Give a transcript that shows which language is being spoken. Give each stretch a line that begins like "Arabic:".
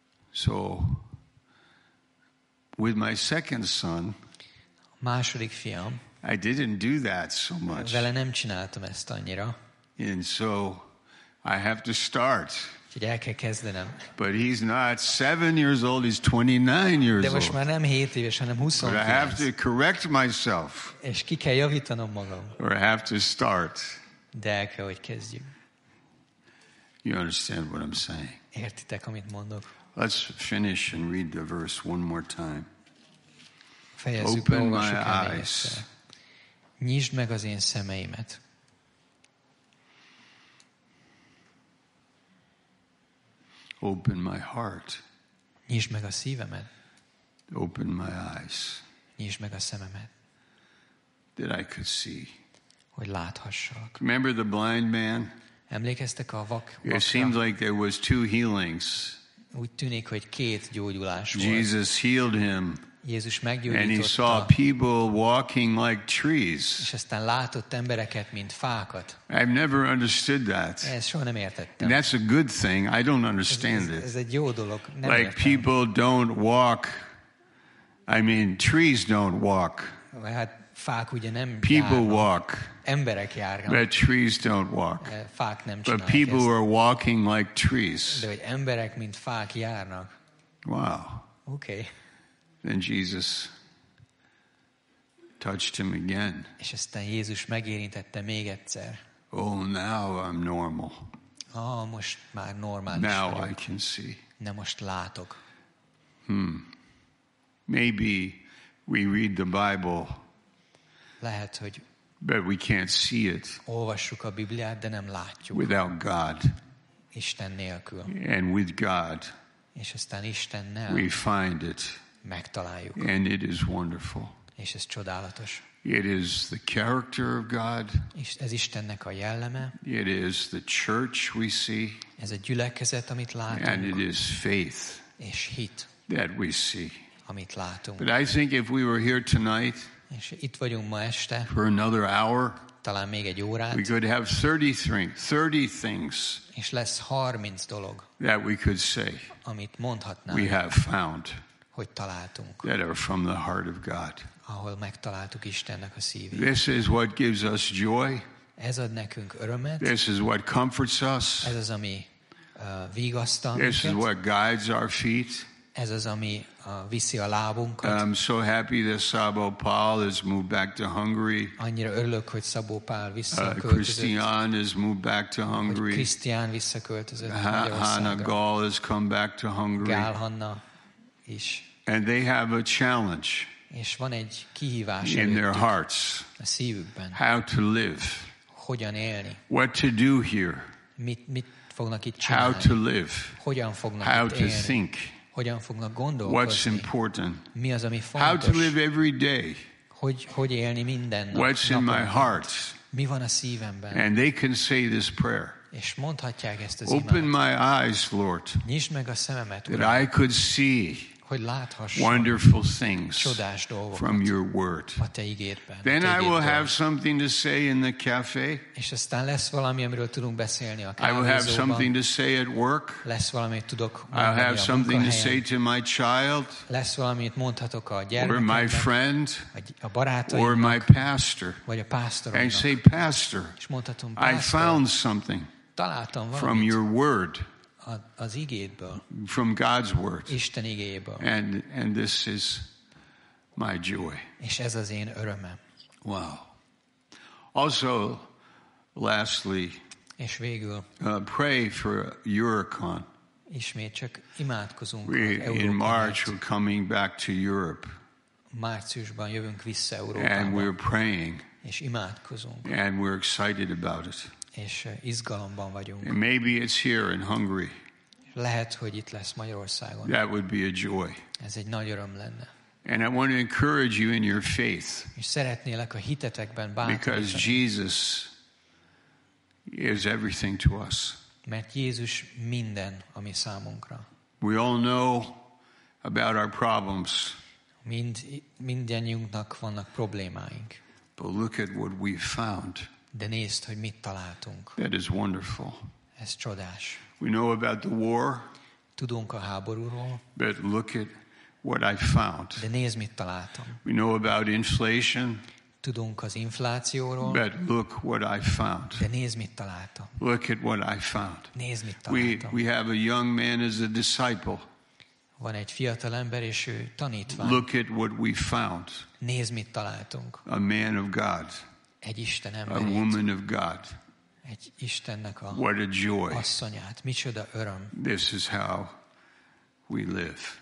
English: So, with my second son,
Hungarian: második fiam,
English: I didn't do that so much.
Hungarian: Vele nem csináltam ezt annyira.
English: And so, I have to start.
Hungarian: Úgyhogy el kell kezdenem.
English: But he's not 7 years old, he's 29 years old.
Hungarian: De most már nem 7 éves, hanem 29.
English: But I have to correct myself.
Hungarian: És ki kell javítanom magam.
English: Or I have to start.
Hungarian: De el kell, hogy kezdjük.
English: You understand what I'm saying?
Hungarian: Értitek, amit mondok?
English: Let's finish and read the verse one more time.
Hungarian: Fejezzük
English: open my eyes.
Hungarian: Nyisd meg az én szemeimet.
English: Open my heart.
Hungarian: Nyisd meg a szívemet.
English: Open my eyes.
Hungarian: Nyisd meg a szememet.
English: That I could see.
Hungarian: Hogy láthassak.
English: Remember the blind man?
Hungarian: Emlékeztek a vakra?
English: It seemed like there was two healings.
Hungarian: Úgy tűnik, hogy két gyógyulás volt.
English: Jesus healed him.
Hungarian: Jézus meggyógyította.
English: And he saw people walking like trees.
Hungarian: És aztán látott embereket, mint fákat.
English: I've never understood that.
Hungarian: Ezt soha nem értettem.
English: And that's a good thing. I don't understand it.
Hungarian: Ez egy jó dolog. Nem
English: like
Hungarian: értem.
English: People don't walk. I mean, trees don't walk.
Hungarian: Hát fák ugye nem járnak.
English: People walk.
Hungarian: Emberek járnak.
English: But trees don't walk.
Hungarian: Fák nem csinálnak.
English: But people are walking like trees.
Hungarian: De hogy emberek, mint fák járnak.
English: Wow. Okay. Then Jesus touched him again.
Hungarian: És aztán Jézus megérintette még egyszer.
English: Oh, now I'm normal.
Hungarian: Ah, most már normális
English: now
Hungarian: vagyok.
English: I can see.
Hungarian: Na most látok.
English: Maybe we read the Bible.
Hungarian: Lehet, hogy
English: but we can't see it.
Hungarian: Olvassuk a Bibliát, de nem látjuk.
English: Without God.
Hungarian: Isten nélkül.
English: And with God.
Hungarian: És aztán Istennel.
English: We find it.
Hungarian: Megtaláljuk.
English: And it is wonderful.
Hungarian: És ez csodálatos.
English: It is the character of God.
Hungarian: És ez Istennek a jelleme.
English: It is the church we see.
Hungarian: Ez a gyülekezet, amit látunk.
English: And it is faith.
Hungarian: És hit.
English: That we see.
Hungarian: Amit látunk.
English: But I think if we were here tonight,
Hungarian: és itt vagyunk ma este,
English: for another hour,
Hungarian: talán még egy órát,
English: we could have 30 things.
Hungarian: És lesz 30 dolog.
English: That we could say.
Hungarian: Amit mondhatnánk.
English: We have found.
Hungarian: Hogy találtunk.
English: That are from the heart of God.
Hungarian: Ahol megtaláltuk Istennek a szívét.
English: This is what gives us joy.
Hungarian: Ez ad nekünk örömet.
English: This is what comforts us.
Hungarian: Ez az, ami vigasztal.
English: This is what guides our feet.
Hungarian: Ez az, ami viszi a lábunkat.
English: I'm so happy that Szabó Pál has moved back to Hungary.
Hungarian: Annyira örülök, hogy Szabó Pál visszaköltözött.
English: Krisztián has moved back to Hungary.
Hungarian: Krisztián visszaköltözött.
English: Hannah Gall has come back to Hungary.
Hungarian: Gál Hanna.
English: And they have a challenge
Hungarian: és van egy kihívás
English: in their hearts
Hungarian: a szívükben.
English: How to live.
Hungarian: Hogyan élni.
English: What to do here.
Hungarian: Mit fognak itt csinálni.
English: How to live.
Hungarian: Hogyan fognak
English: how
Hungarian: itt
English: to
Hungarian: élni.
English: Think.
Hungarian: Hogyan fognak gondolkozni.
English: What's important.
Hungarian: Mi az, ami fontos.
English: How to live every day.
Hungarian: Hogy élni minden nap.
English: What's in my heart.
Hungarian: Mi van a szívemben.
English: And they can say this prayer.
Hungarian: És mondhatják ezt az imádat.
English: Open my eyes, Lord.
Hungarian: Nyisd meg a szememet, Uram.
English: That I could see.
Hungarian: hogy láthassam
English: wonderful things
Hungarian: csodás dolgokat
English: from your word.
Hungarian: A te ígédben.
English: Then I will have something to say in the cafe.
Hungarian: És aztán lesz valami, amiről tudunk beszélni a kávézóban.
English: I will have something to say at work.
Hungarian: Lesz valamit tudok mondani.
English: I'll have something to say to my child.
Hungarian: Lesz valamit mondhatok a gyermekemnek.
English: Or my friend.
Hungarian: A barátaimnak.
English: Or my pastor.
Hungarian: Vagy a pastoromnak.
English: And say, pastor.
Hungarian: És mondhatom,
English: pastor. I found something.
Hungarian: Találtam valamit.
English: From your word.
Hungarian: Az igédből,
English: from God's word.
Hungarian: Isten igéből.
English: And this is my joy.
Hungarian: És ez az én örömem.
English: Wow. Also, lastly,
Hungarian: és végül,
English: pray for Eurocon.
Hungarian: Ismét csak imádkozunk
English: we, in March, we're coming back to Europe.
Hungarian: Márciusban jövünk vissza Európába.
English: And we're praying.
Hungarian: És imádkozunk.
English: And we're excited about it.
Hungarian: És izgalomban vagyunk.
English: And maybe it's here in Hungary.
Hungarian: Lehet, hogy itt lesz Magyarországon.
English: That would be a joy.
Hungarian: Ez egy nagy öröm lenne.
English: And I want to encourage you in your faith.
Hungarian: És szeretnélek a hitetekben bátorítani.
English: Because Jesus is everything to us.
Hungarian: Mert Jézus minden a mi számunkra.
English: We all know about our problems.
Hungarian: Mindannyiunknak vannak problémáink.
English: But look at what we found.
Hungarian: De nézd, hogy mit találtunk.
English: That is wonderful.
Hungarian: Ez csodás.
English: We know about the war.
Hungarian: Tudunk a háborúról.
English: But look at what I found.
Hungarian: De nézd, mit találtam.
English: We know about inflation.
Hungarian: Tudunk az inflációról.
English: But look what I found.
Hungarian: De nézd, mit találtam.
English: Look at what I found.
Hungarian: Nézd, mit találtam.
English: We have a young man as a disciple.
Hungarian: Van egy fiatal ember, és ő tanítvány.
English: Look at what we found.
Hungarian: Nézd, mit találtunk.
English: A man of God.
Hungarian: Egy Isten emberét,
English: a woman of God.
Hungarian: Egy Istennek a
English: what a joy.
Hungarian: Asszonyát. Micsoda öröm.
English: This is how we live.